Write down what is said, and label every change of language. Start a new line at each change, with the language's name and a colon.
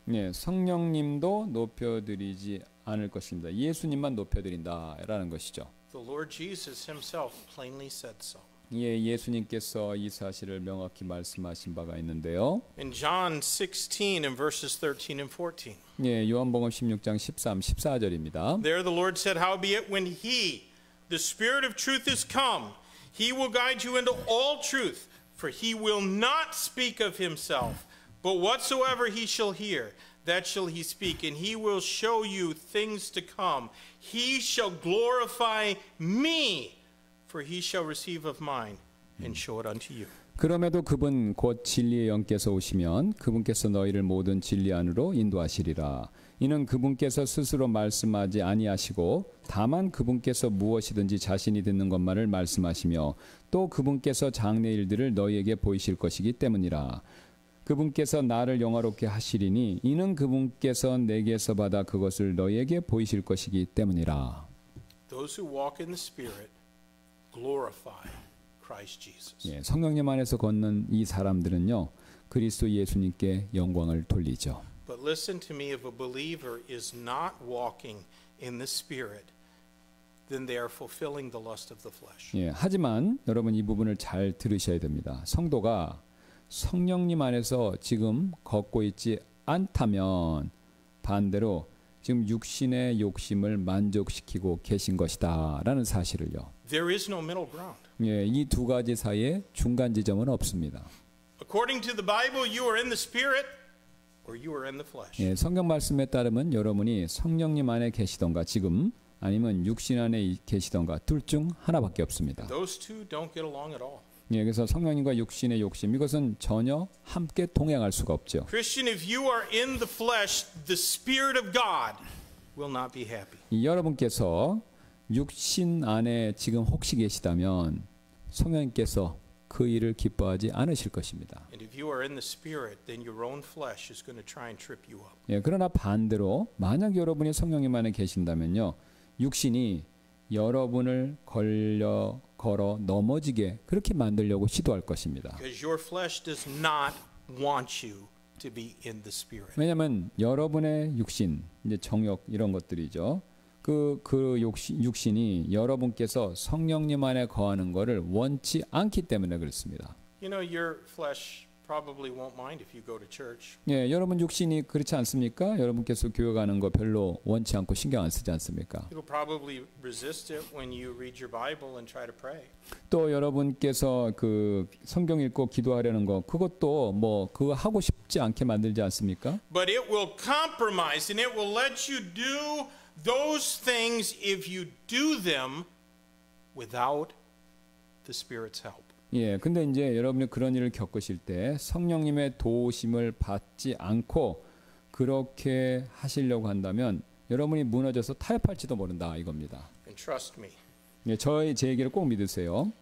Korean: 예, 성령님도 높여 드리지 않을 것입니다. 예수님만 높여 드린다라는 것이죠.
English: The Lord Jesus himself plainly said so.
Korean: 예, 예수님께서 이 사실을 명확히 말씀하신 바가 있는데요.
English: In John 16 and verses 13 and 14.
Korean: 예, 요한복음 16장 13, 14절입니다.
English: There the Lord said, howbeit when he the Spirit of truth is come, he will guide you into all truth, for he will not speak of himself, but whatsoever he shall hear, that shall he speak, and he will show you things to come. He shall glorify me. For he shall receive of mine and show it unto you.
Korean: 그럼에도 그분 곧 진리의 영께서 오시면 그분께서 너희를 모든 진리 안으로 인도하시리라. 이는 그분께서 스스로 말씀하지 아니하시고 다만 그분께서 무엇이든지 자신이 듣는 것만을 말씀하시며 또 그분께서 장래 일들을 너희에게 보이실 것이기 때문이라. 그분께서 나를 영화롭게 하시리니 이는 그분께서 내게서 받아 그것을 너에게 보이실 것이기 때문이라.
English: Those who walk in the Spirit glorify Christ Jesus.
Korean: 예, 성령님 안에서 걷는 이 사람들은요 그리스도 예수님께 영광을 돌리죠.
English: But listen to me, if a believer is not walking in the Spirit, then they are fulfilling the lust of the flesh.
Korean: 예, 하지만 여러분 이 부분을 잘 들으셔야 됩니다. 성도가 성령님 안에서 지금 걷고 있지 않다면 반대로 지금 육신의 욕심을 만족시키고 계신 것이다라는 사실을요.
English: There is no middle ground.
Korean: 예, 이 두 가지 사이에 중간 지점은 없습니다.
English: According to the Bible, you are in the Spirit or you are in the flesh.
Korean: 예, 성경 말씀에 따르면 여러분이 성령님 안에 계시던가 지금 아니면 육신 안에 계시던가 둘 중 하나밖에 없습니다.
English: Those two don't get along at all.
Korean: 예, 그래서 성령님과 육신의 욕심 이것은 전혀 함께 동행할 수가 없죠.
English: Christian, if you are in the flesh, the Spirit of God will not be happy.
Korean: 여러분께서 육신 안에 지금 혹시 계시다면 성령님께서 그 일을 기뻐하지 않으실 것입니다.
English: And if you are in the Spirit, then your own flesh is going to try and trip you up.
Korean: 예, 그러나 반대로 만약 여러분이 성령님 안에 계신다면요, 육신이 여러분을 걸려 걸어 넘어지게 그렇게 만들려고 시도할 것입니다.
English: Because your flesh does not want you to be in the Spirit.
Korean: 왜냐하면 여러분의 육신, 이제 정욕 이런 것들이죠. 그 육신이 여러분께서 성령님 안에 거하는 것을 원치 않기 때문에 그렇습니다.
English: You know, your flesh probably won't mind if you go to church.
Korean: 예, 여러분 육신이 그렇지 않습니까? 여러분께서 교회 가는 거 별로 원치 않고 신경 안 쓰지 않습니까?
English: You'll probably resist it when you read your Bible and try to pray.
Korean: 또 여러분께서 그 성경 읽고 기도하려는 거 그것도 뭐 그거 하고 싶지 않게 만들지 않습니까?
English: But it will compromise and it will let you do those things if you do them without the Spirit's help.
Korean: 예, 근데 이제 여러분이 그런 일을 겪으실 때 성령님의 도우심을 받지 않고 그렇게 하시려고 한다면 여러분이 무너져서 타협할지도 모른다 이겁니다.
English: And trust me.
Korean: 예, 저의 제 얘기를 꼭 믿으세요.